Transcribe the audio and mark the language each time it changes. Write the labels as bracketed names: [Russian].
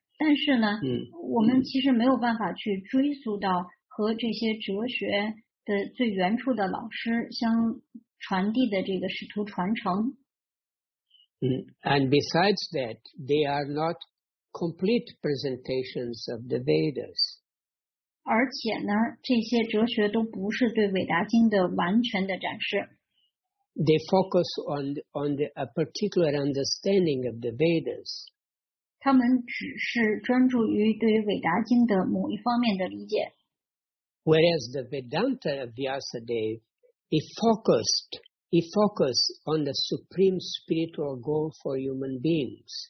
[Chinese] 但是呢，我们其实没有办法去追溯到和这些哲学的最原初的老师相传递的这个使徒传承。 [English] And besides that, they are not complete presentations of the Vedas. [Chinese] 而且呢，这些哲学都不是对《韦达经》的完全的展示。 [English] They focus on a particular understanding of the Vedas. [Chinese] 他们只是专注于对《韦达经》的某一方面的理解。 [English] Whereas the Vedanta of Vyasadeva, he focused on the supreme spiritual goal for human beings.